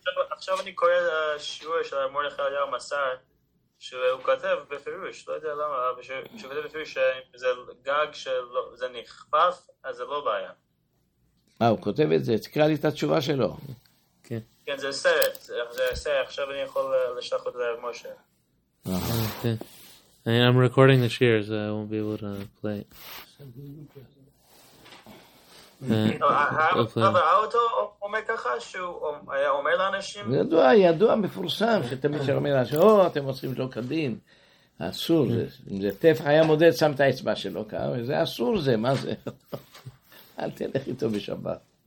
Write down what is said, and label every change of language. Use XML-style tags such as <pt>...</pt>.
<he>עכשיו אני קורא שיעור של מורך היה מסע, שהוא כתב בפירוש, לא יודע למה, אבל שהוא כתב בפירוש שזה גג שזה נכפף, אז זה לא בעיה. אה, הוא כותב את זה, תקרא לי את התשובה שלו. כן, זה סרט, זה סרט, עכשיו אני יכול לשלח אותו למשה. אוקיי.</he> <en>I'm recording the shiur, so I won't be able to play.</en> <he>אבל האוטו אומר ככה שהוא אומר לאנשים ידוע, ידוע מפורסם שתמיד שרמי לאנשים אתם עושים לא כדין אסור, אם זה טפח היה מודד שם את האצבע שלו זה אסור זה, מה זה אל תלך איתו בשבת</he>